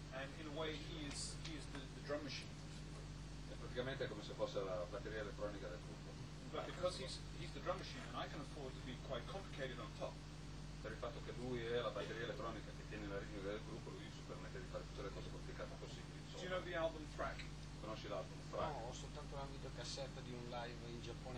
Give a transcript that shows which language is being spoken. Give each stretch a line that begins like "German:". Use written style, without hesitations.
English: And in a way he is the drum machine.
Italian: È praticamente come se fosse la batteria elettronica del gruppo.
English: But because he's the drum machine and I can afford to be quite complicated on top.
Italian: Per il fatto che lui è la batteria elettronica che tiene la ritmica del gruppo, lui ci permette di fare tutte le cose complicate possibili.
English: Do you know the album Frack?
Italian: Conosci l'album Frack? No, ho soltanto una videocassetta di un live in Giappone.